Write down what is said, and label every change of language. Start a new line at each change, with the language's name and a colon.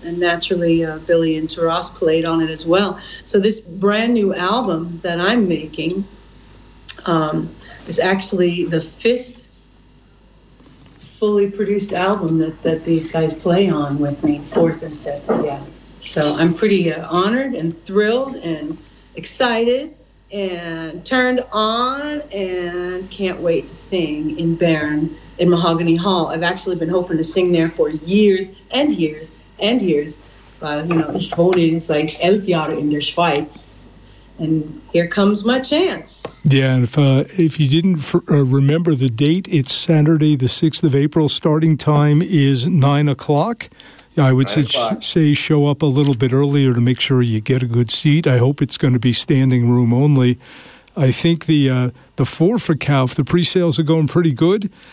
English: And naturally, Billy and Taras played on it as well. So this brand new album that I'm making is actually the fifth fully produced album that these guys play on with me, fourth and fifth, yeah. So I'm pretty honored and thrilled and excited and turned on and can't wait to sing in Bern in Mahogany Hall. I've actually been hoping to sing there for years and years and years.
German: Ich wohne in
English: like
German: 11 Jahre in der Schweiz.
English: And here comes my chance. Yeah, and if you didn't remember the date, it's Saturday, the 6th of April. Starting time is 9 o'clock. I would say show up a little bit earlier to make sure you get a good seat. I hope it's going to be standing room only. I think the four for Calf, the pre-sales are going pretty good.